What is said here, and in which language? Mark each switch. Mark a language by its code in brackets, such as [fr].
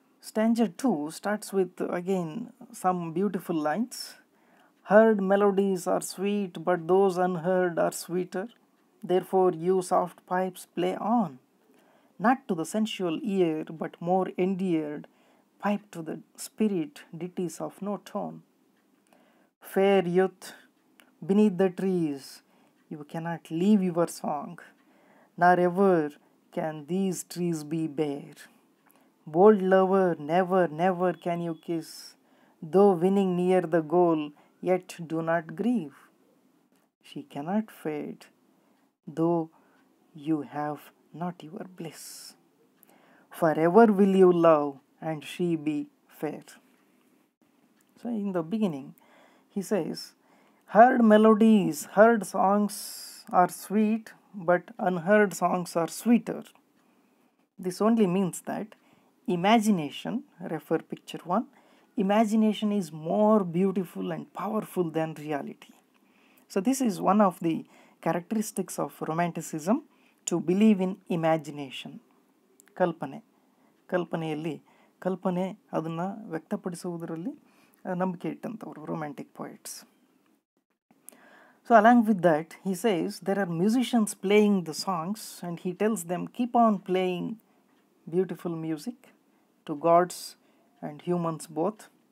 [en] Stanza two starts with again some beautiful lines, heard melodies are sweet but those unheard are sweeter, therefore you soft pipes play on, not to the sensual ear but more endeared pipe to the spirit ditties of no tone. Fair youth, beneath the trees, you cannot leave your song, nor ever can these trees be bare. Bold lover, never, never can you kiss, though winning near the goal, yet do not grieve. She cannot fade, though you have not your bliss. Forever will you love, and she be fair. So in the beginning, he says, heard melodies, heard songs are sweet, but unheard songs are sweeter. This only means that imagination, refer picture one, imagination is more beautiful and powerful than reality. So this is one of the characteristics of romanticism, to believe in imagination. [kn] Kalpane. Kalpaneyalli. ಕಲ್ಪನೆ, ಅದನ್ನು ವ್ಯಕ್ತಪಡಿಸುವುದರಲ್ಲಿ ನಂಬಿಕೆ ಇಟ್ಟಂಥವ್ರು romantic poets. [en] So along with that he says there are musicians playing the songs and he tells them keep on playing beautiful music to gods and humans both.